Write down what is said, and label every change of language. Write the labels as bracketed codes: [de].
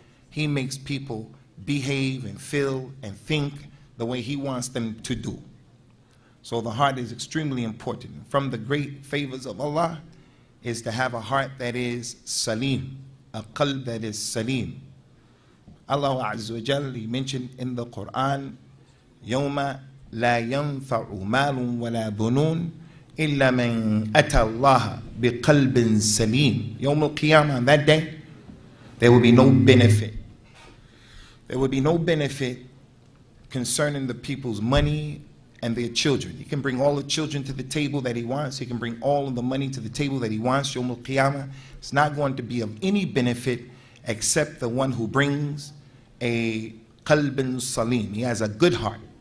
[en] He makes people behave and feel and think the way He wants them to do. So the heart is extremely important. From the great favors of Allah is to have a heart that is salim, a qalb that is salim. [ar] Allah Azza wa Jal, [en] He mentioned in the Qur'an, [ar] يَوْمَ لَا يَنْفَعُ مَالٌ وَلَا بُنُونَ إِلَّا مَنْ أَتَى اللَّهَ بِقَلْبٍ سَلِيمٍ. يَوْمُ الْقِيَامَةِ, [en] on that day, there will be no benefit. There will be no benefit concerning the people's money and their children. He can bring all the children to the table that he wants. He can bring all of the money to the table that he wants. [ar] يوم القيامة, [en] it's not going to be of any benefit except the one who brings a qalbin salim. He has a good heart.